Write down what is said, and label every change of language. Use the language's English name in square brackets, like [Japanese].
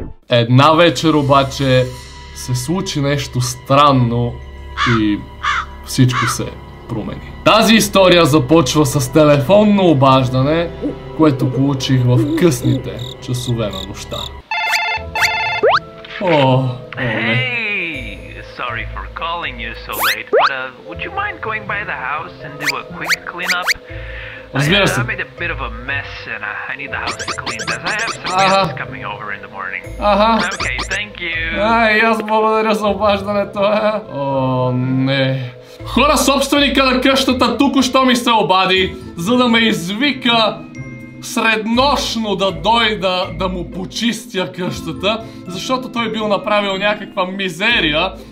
[Bulgarian] Една вечер обаче се случи нещо странно и всичко се промени. Тази история започва с телефонно обаждане, което получих в късните часове на нощта. [English] Hey, sorry for calling you so late, but would you mind going by the house and do a quick cleanup? [Bulgarian] Разбира се. [English] I made a bit of a mess and I need the house cleaned as I have some guests coming over in the morning. Аха. Okay, thank you. [Bulgarian] Ай, аз благодаря за обаждането. О, не. Хора, собственика на къщата току-що ми се обади, за да ме извика среднощно да дойда да му почистя къщата, защото той бил направил някаква мизерия.